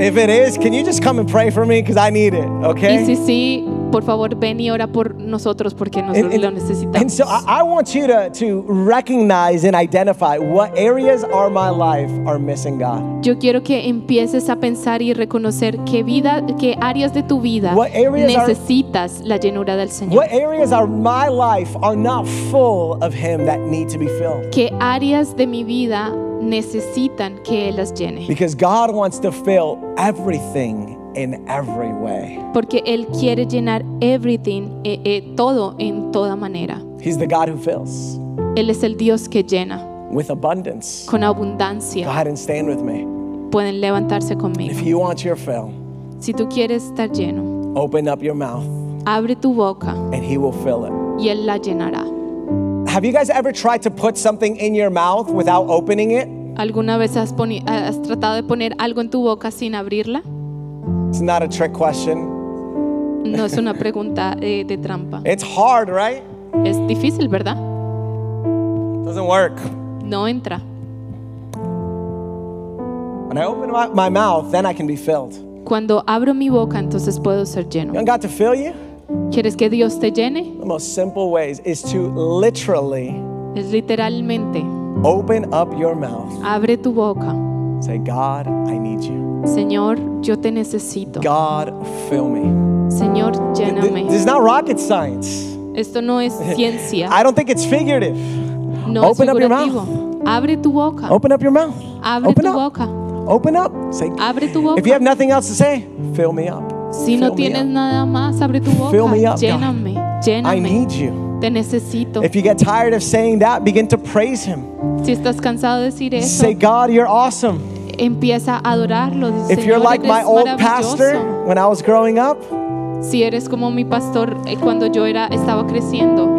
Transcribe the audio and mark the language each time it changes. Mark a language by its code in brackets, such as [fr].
[en] If it is, can you just come and pray for me because I need it, okay? [es] Y si sí, por favor, ven y ora por nosotros porque nosotros lo necesitamos. [en] And so I want you to recognize and identify what areas are my life are missing God. [es] Yo quiero que empieces a pensar y reconocer qué vida, qué áreas de tu vida necesitas la llenura del Señor. [en] What areas are my life are not full of Him that need to be filled? [es] ¿Qué áreas de mi vida necesitan que Él las llene? [en] Because God wants to fill everything in every way. [es] Porque él quiere llenar [en] everything, [es] todo en toda manera. [en] He's the God who fills. [es] Él es el Dios que llena. [en] With abundance. [es] Con abundancia. [en] Go ahead and stand with me. [es] Pueden levantarse conmigo. [en] If you want your fill, [es] si tú quieres estar lleno, [en] open up your mouth. [es] Abre tu boca. [en] And he will fill it. [es] Y él la llenará. [en] Have you guys ever tried to put something in your mouth without opening it? [es] ¿Alguna vez has tratado de poner algo en tu boca sin abrirla? [en] It's not a trick question. [es] No es una pregunta de trampa. [en] It's hard, right? [es] Es difícil, ¿verdad? [en] Doesn't work. [es] No entra. [en] When I open my mouth, then I can be filled. [es] Cuando abro mi boca, entonces puedo ser lleno. [en] You want God to fill you? [es] ¿Quieres que Dios te llene? [en] The most simple ways is to literally, [es] es literalmente, [en] open up your mouth. [es] Abre tu boca. [en] Say, God, I need you. [es] Señor, yo te necesito. [en] God, fill me. [es] Señor, lléname. [en] This is not rocket science. [es] Esto no es ciencia. [en] I don't think it's figurative. [es] No, [en] open [es] es [en] up your mouth. [es] Abre tu boca. [en] Open up your mouth. [es] Abre [en] open [es] tu [en] up. [es] Boca. [en] Open up. Say, [es] abre tu boca. [en] If you have nothing else to say, fill me up. [es] Si [en] fill [es] no tienes nada más, abre tu boca. [en] Fill me up, [es] lléname. [en] God. [es] Lléname. [en] I need you. [es] Te necesito. [en] If you get tired of saying that, begin to praise him. [es] Si estás cansado de decir eso, [en] say, God, you're awesome. [es] Empieza a adorarlo. [en] If [es] Señor, [en] you're like my old pastor when I was growing up, [es] si eres como mi pastor cuando yo era estaba creciendo,